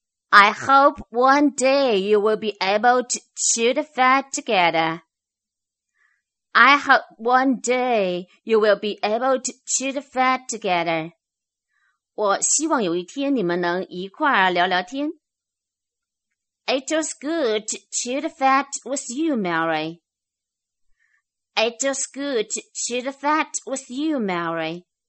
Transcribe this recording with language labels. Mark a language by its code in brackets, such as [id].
[en] I hope one day you will be able to chew the fat together. I hope one day you will be able to chew the fat together. [zh] 我希望有一天你们能一块儿聊聊天。 [en] It was good to chew the fat with you, Mary. It was good to chew the fat with you, Mary.